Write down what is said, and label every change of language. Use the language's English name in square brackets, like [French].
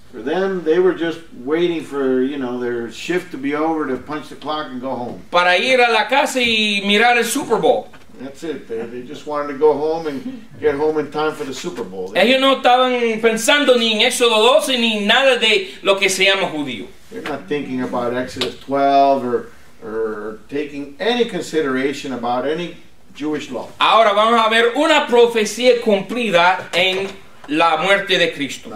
[English] For them, they were just waiting for, you know, their shift to be over, to punch the clock and go home. [Spanish] Para ir a la casa y mirar el Super Bowl. [English] That's it. They just wanted to go home and get home in time for the Super Bowl. [Spanish] Ellos no estaban pensando ni en Éxodo 12 ni nada de lo que se llama judío. [English] They're not thinking about Exodus 12 or taking any consideration about any Jewish law. [Spanish] Ahora vamos a ver una profecía cumplida en la muerte de Cristo.